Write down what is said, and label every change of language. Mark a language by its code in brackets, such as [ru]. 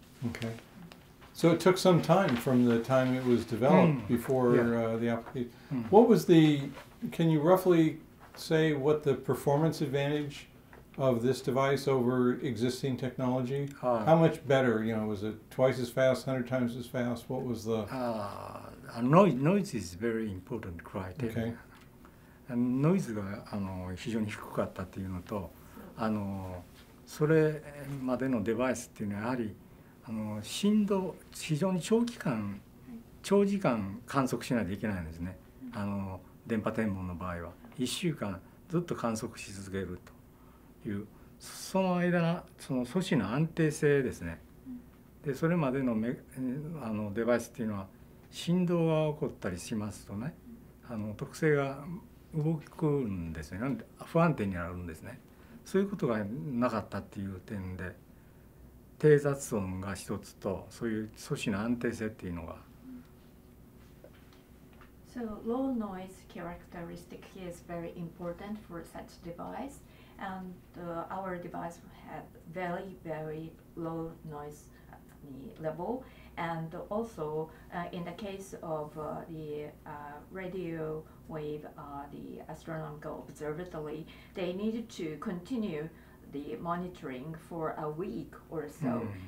[en] Okay. So it took some time from the time it was developed、mm-hmm. before、yeah. The application.、 Mm-hmm. What was can you roughly say what the performance advantageof this device over existing technology? How much better? You know, was it twice as fast, 100 times as fast? What was the...? Noise is very important criteria. Okay. And noise [ja] が非常に低かったっていうのと、それまでのデバイスっていうのはやはり振動、非常に長時間観測しないといけないんですね。電波天文の場合は。1週間ずっと観測し続けると。その間その素子の安定性ですね、でそれまで のデバイスっていうのは振動が起こったりしますとね、特性が動くんですよね、不安定になるんですね、そういうことがなかったっていう点で低雑音が一つと、そういう素子の安定性っていうのが、 [en] So low noise characteristic is very important for such device, and our device had very, very low noise level. And also in the case of the radio wave, the astronomical observatory, they needed to continue the monitoring for a week or so.